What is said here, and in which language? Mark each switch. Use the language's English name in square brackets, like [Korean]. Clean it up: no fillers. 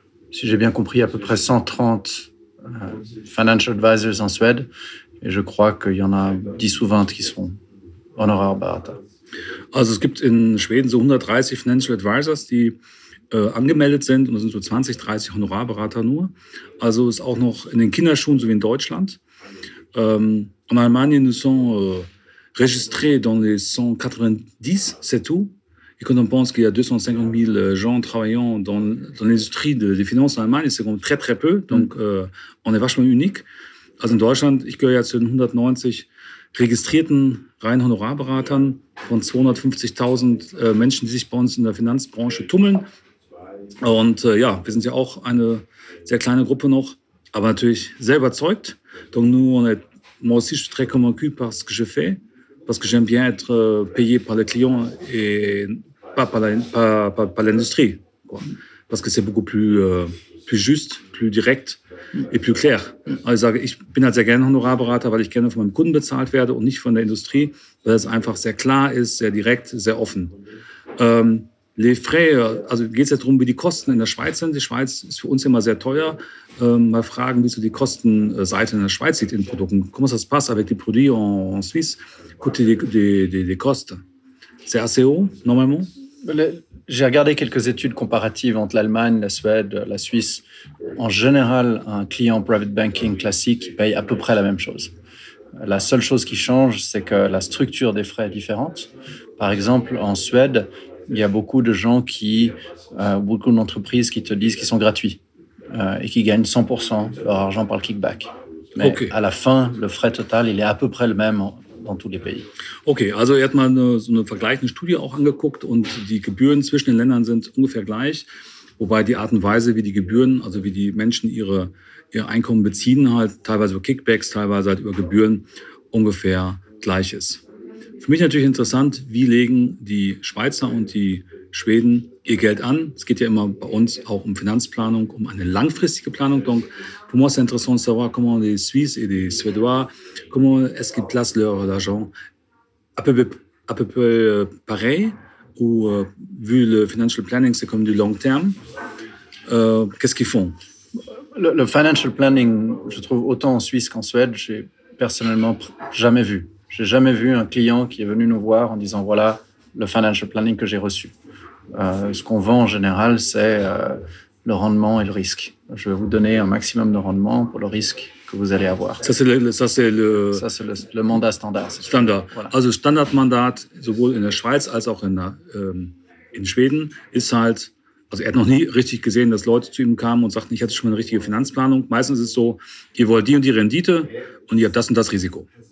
[French] Si j'ai bien compris, à peu près 130 financial advisors en Suède, et je crois qu'il y en a 10 ou 20 qui sont honorarberater. [German] Also es gibt in Schweden so 130 financial advisors, die angemeldet sind, und es sind so 20, 30 Honorarberater nur. Also ist auch noch in den Kinderschuhen, so wie in Deutschland. [French] En Allemagne, nous sommes registrés dans les 190, c'est tout. Et quand on pense qu'il y a 250 000 gens travaillant dans l'industrie des finances en Allemagne, c'est quand même très, très peu. Donc, on est vachement unique. [German] Also in Deutschland, ich gehöre ja zu den 190 registrierten reinen Honorarberatern von 250.000 Menschen, die sich bei uns in der Finanzbranche tummeln. Und wir sind ja auch eine sehr kleine Gruppe noch, aber natürlich sehr überzeugt. [French] Donc, nous, on est moi aussi, je suis très convaincu par ce que je fais. Parce que j'aime bien être payé par les clients et pas par l'industrie, quoi. Parce que c'est beaucoup plus juste, plus direct et plus clair. [German] Also ich sage, ich bin halt sehr gerne Honorarberater, weil ich gerne von meinem Kunden bezahlt werde und nicht von der Industrie, weil es einfach sehr klar ist, sehr direkt, sehr offen. [French] Les frais, [German] also geht es jetzt darum, wie die Kosten in der Schweiz sind. Die Schweiz ist für uns immer sehr teuer. Mal fragen, wie so die Kostenseite in der Schweiz sieht in Produkten. [French] Comment ça se passe avec les produits en Suisse? Côté des Kosten. C'est assez haut, normalement? J'ai regardé quelques études comparatives entre l'Allemagne, la Suède, la Suisse. En général, un client private banking classique paye à peu près la même chose. La seule chose qui change, c'est que la structure des frais est différente. Par exemple, en Suède, il y a beaucoup de gens qui, beaucoup d'entreprises qui te disent qu'ils sont gratuits et qui gagnent 100% leur argent par le kickback. Mais okay. À la fin, le frais total, il est à peu près le même dans tous les pays. [German] Ok, also er hat mal so eine vergleichende Studie auch angeguckt und die Gebühren zwischen den Ländern sind ungefähr gleich, wobei die Art und Weise, wie die Gebühren, also wie die Menschen ihr Einkommen beziehen, halt teilweise über Kickbacks, teilweise halt über Gebühren, ungefähr gleich ist. Für mich natürlich interessant, wie legen die Schweizer und die Schweden ihr Geld an? Es geht ja immer bei uns auch um Finanzplanung, um eine langfristige Planung. [French] Donc, pour moi, c'est intéressant de savoir comment les Suisses et les Suédois, comment est-ce qu'ils placent leur argent à peu près pareil, ou vu le financial planning, c'est comme du long terme. Qu'est-ce qu'ils font? Le financial planning, je trouve autant en Suisse qu'en Suède, j'ai personnellement jamais vu. J'ai jamais vu un client qui est venu nous voir en disant voilà le financial planning que j'ai reçu. Ce qu'on vend en général, c'est le rendement et le risque. Je vais vous donner un maximum de rendement pour le risque que vous allez avoir. Ça, c'est le mandat standard. Standard. Voilà. [German] Also Standardmandat, sowohl in der Schweiz als auch in Schweden, ist halt, also er hat noch nie richtig gesehen, dass Leute zu ihm kamen und sagten, ich hatte schon mal eine richtige Finanzplanung. Meistens ist es so, ihr wollt die und die Rendite und ihr habt das und das Risiko.